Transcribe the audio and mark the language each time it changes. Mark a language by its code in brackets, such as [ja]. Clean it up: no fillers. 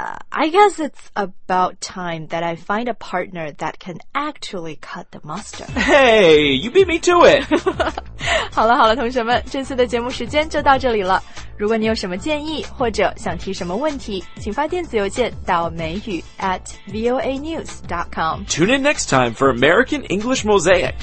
[en] I guess it's about time that I find a partner that can actually cut the mustard. Hey, you beat me to it! [zh] 好了好了，同学们，这次的节目时间就到这里了。如果你有什么建议或者想提什么问题，请发电子邮件到美语@voanews.com. [en] Tune in next time for American English Mosaic.